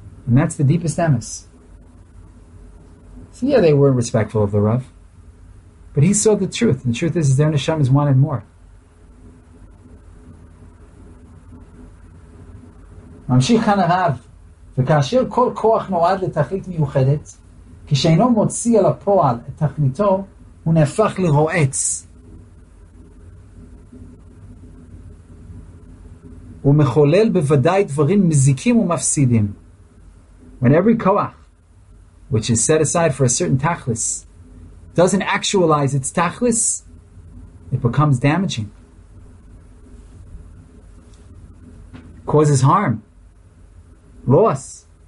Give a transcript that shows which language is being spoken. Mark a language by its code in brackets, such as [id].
[en] And that's the deepest emes. So yeah, they were respectful of the Rav. But he saw the truth. And the truth is their neshamas wanted more. [he] ממשיך כאן הרב, וכאשר כל כוח נועד לתכלית מיוחדת, כשאינו מוציא אל הפועל את תכליתו, הוא נהפך לרועץ. הוא מחולל בוודאי דברים מזיקים ומפסידים. [en] When every koach, which is set aside for a certain tachlis, doesn't actualize its tachlis, it becomes damaging. It causes harm, loss.